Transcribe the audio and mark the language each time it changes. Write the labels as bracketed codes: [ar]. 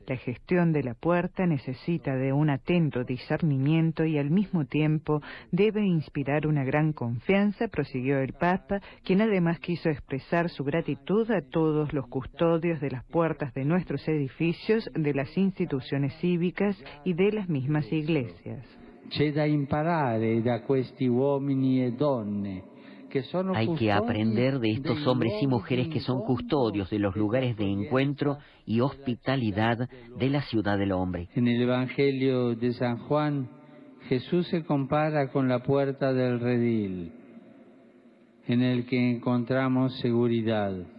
[es] La gestión de la puerta necesita de un atento discernimiento y al mismo tiempo debe inspirar una gran confianza, prosiguió el Papa, quien además quiso expresar su gratitud a todos los custodios de las puertas de nuestros edificios, de las instituciones cívicas y de las mismas iglesias. [it] C'è da imparare da questi uomini e donne. [es] Hay que aprender de estos hombres y mujeres que son custodios de los lugares de encuentro y hospitalidad de la ciudad del hombre. En el Evangelio de San Juan, Jesús se compara con la puerta del redil, en el que encontramos seguridad.